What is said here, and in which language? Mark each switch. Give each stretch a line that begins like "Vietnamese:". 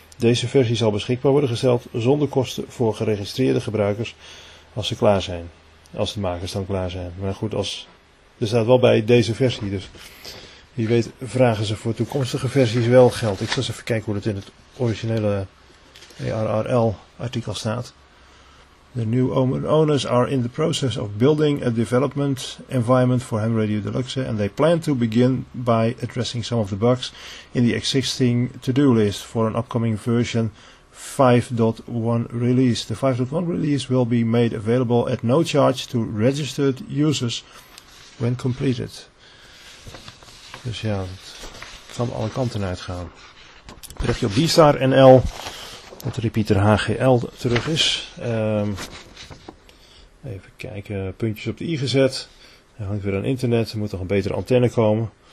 Dutch: Deze versie zal beschikbaar worden gesteld zonder kosten voor geregistreerde gebruikers als ze klaar zijn. Als de makers dan klaar zijn. Maar goed, er staat wel bij deze versie, dus wie weet vragen ze voor toekomstige versies wel geld. Ik zal eens even kijken hoe het in het originele ARRL artikel staat.
English: The new owners are in the process of building a development environment for Ham Radio Deluxe and they plan to begin by addressing some of the bugs in the existing to-do list for an upcoming version 5.1 release. The 5.1 release will be made available at no charge to registered users when completed.
Dutch: Dus ja, het kan alle kanten uitgaan. Terug op BSTAR.nl. Dat repeater HGL terug is. Even kijken, puntjes op de i gezet. Er hangt weer aan internet, er moet nog een betere antenne komen.